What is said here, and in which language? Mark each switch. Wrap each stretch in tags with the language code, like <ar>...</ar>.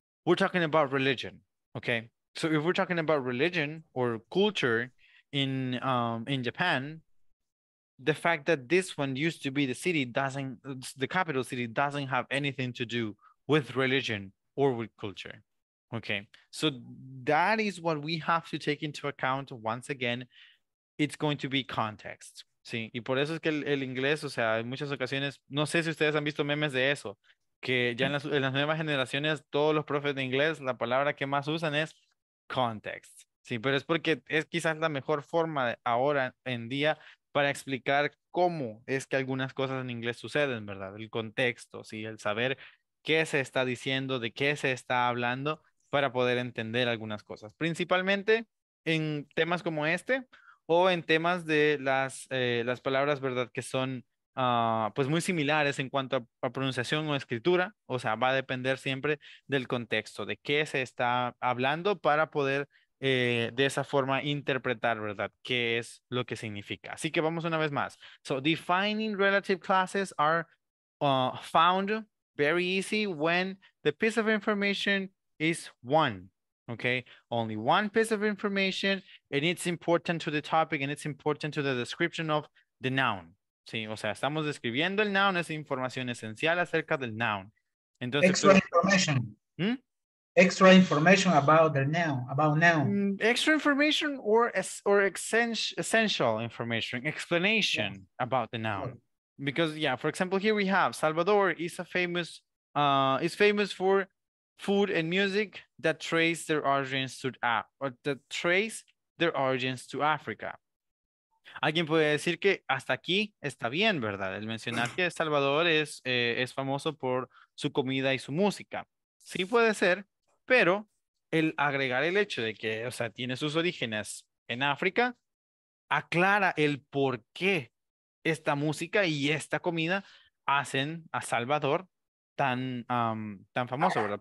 <en>We're talking about religion, okay? So if we're talking about religion or culture in Japan, the fact that this one used to be the city doesn't have anything to do with religion or with culture. Okay, so that is what we have to take into account. Once again, it's going to be context.</en> <es>Sí, y por eso es que el inglés, o sea, en muchas ocasiones, no sé si ustedes han visto memes de eso, que ya en las nuevas generaciones, todos los profes de inglés, la palabra que más usan es context. Sí, pero es porque es quizás la mejor forma ahora en día para explicar cómo es que algunas cosas en inglés suceden, ¿verdad? El contexto, sí, el saber qué se está diciendo, de qué se está hablando, para poder entender algunas cosas. Principalmente en temas como este, o en temas de las palabras, ¿verdad? Que son pues muy similares en cuanto a pronunciación o escritura. O sea, va a depender siempre del contexto, de qué se está hablando para poder de esa forma interpretar, ¿verdad? Qué es lo que significa. Así que vamos una vez más.</es> <en>So, defining relative classes are found very easy when the piece of information is one. Okay, only one piece of information, and it's important to the topic, and it's important to the description of the noun.</en> <es>Sí, o sea, estamos describiendo el noun, es información esencial acerca del noun.</es> <en>Entonces, extra information. Extra information about the noun. About noun. Extra information or essential information, explanation about the noun. Because yeah, for example, here we have Salvador is a famous is famous for food and music that trace their origins to Africa.</en> <es>Alguien puede decir que hasta aquí está bien, ¿verdad? El mencionar que Salvador es famoso por su comida y su música. Sí puede ser, pero el agregar el hecho de que, o sea, tiene sus orígenes en África, aclara el por qué esta música y esta comida hacen a Salvador tan famoso, ¿verdad?</es>